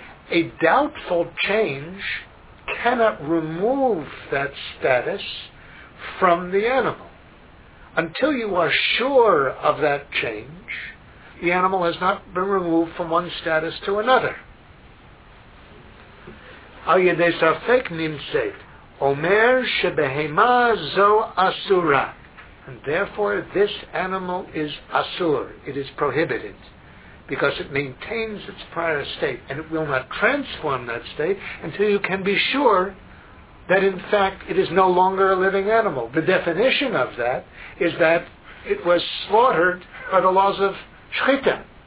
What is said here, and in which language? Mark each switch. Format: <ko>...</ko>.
<en>A doubtful change cannot remove that status from the animal. Until you are sure of that change, the animal has not been removed from one status to another.</en> <he>על ידי ספק נמצאת, אומר שבהמה זו אסורה.</he> <en>And therefore, this animal is asur, it is prohibited, because it maintains its prior state, and it will not transform that state until you can be sure that, in fact, it is no longer a living animal. The definition of that is that it was slaughtered by the laws of Shechita.</en>